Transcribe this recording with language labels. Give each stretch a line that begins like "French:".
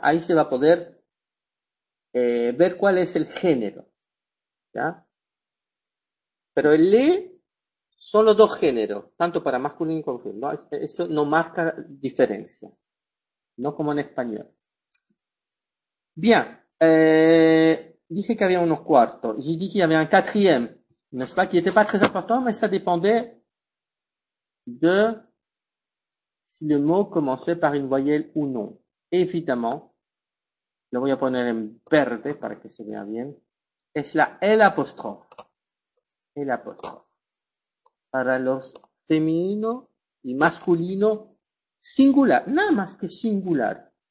Spanish: Ahí se va a poder ver cuál es el género. ¿Ya? Pero el le. Solo dos géneros, tanto para masculino como femenino. Eso no marca diferencia. No como en español. Bien. Dije que había unos cuartos.
French: J'ai dit qu'il y avait un quatrième. N'est-ce pas? Qui n'était pas très important, mais ça dépendait de si le mot commençait par une voyelle ou non.
Spanish: Évidemment, lo voy a poner en verde para que se vea bien. Es la L apostrophe. L apostrophe. Para los femenino y masculino singular, nada más que singular.